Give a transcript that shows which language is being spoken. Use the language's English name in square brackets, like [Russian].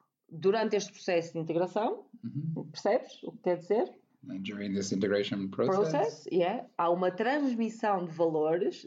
[Portuguese] Durante este processo de integração, percebes o que quer dizer? [English] And during this integration process, [Portuguese] yeah, há uma transmissão de valores.